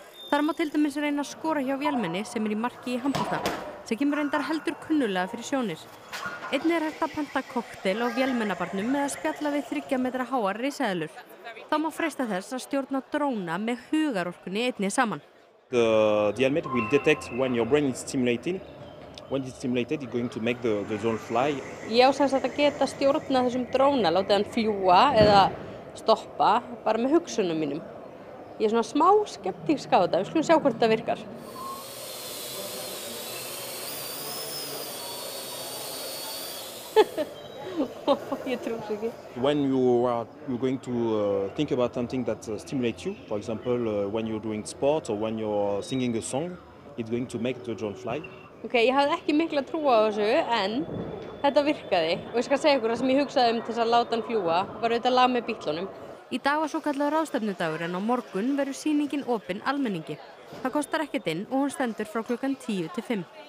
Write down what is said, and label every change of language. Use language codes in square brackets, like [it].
[is] Þar má til dæmis reyna að skora hjá vélmenni sem er í marki í handbolta, sem kemur reyndar heldur kunnulega fyrir sjónir. Einnig er hægt að panta kokteil á vélmennabarnum með að spjalla við 3 metra háar risaeðlur. Þá má freista þess að stjórna dróna með hugarorkunni einnig saman. [en] The helmet will detect when your brain is stimulating. When it's stimulated, it's going to make the drone fly. [is] Ég á sem sagt að geta stjórna þessum dróna, láta hann fljúga eða stoppa bara með hugsunum mínum. Ég er svona smá skeptísk á þetta, við skulum sjá hvort það virkar. [en] When you're going to think about something that stimulates you, for example, when you're doing sport or when you're singing a song, it's going to make the drone fly. [is] Okay, ég hafði ekki mikla trú á þessu, en þetta virkaði og ég skal segja ykkur það sem ég hugsaði til þess að láta hann fljúga var auðvitað lag með bíllunum. Í dag var svo kallaður ráðstefnudagur en á morgun verður sýningin opin almenningi. Það kostar ekkert inn og hún stendur frá klukkan 10 til 5.